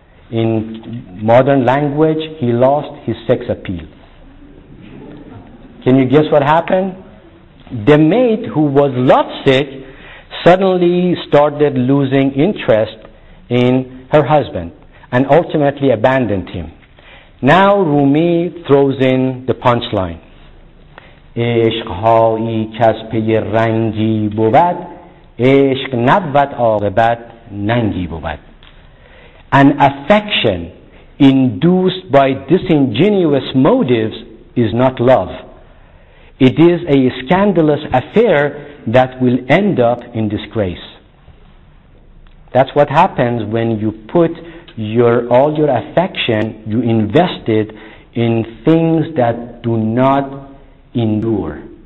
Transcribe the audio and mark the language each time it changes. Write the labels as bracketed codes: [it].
[en] In modern language, he lost his sex appeal. Can you guess what happened? The maid, who was lovesick, suddenly started losing interest in her husband and ultimately abandoned him. Now Rumi throws in the punchline. [fa] عشقهایی کس پی رنگی بود عشق نبود عاقبت ننگی بود. [en] An affection induced by disingenuous motives is not love. It is a scandalous affair that will end up in disgrace. That's what happens when you put all your affection, you invest it in things that do not endure.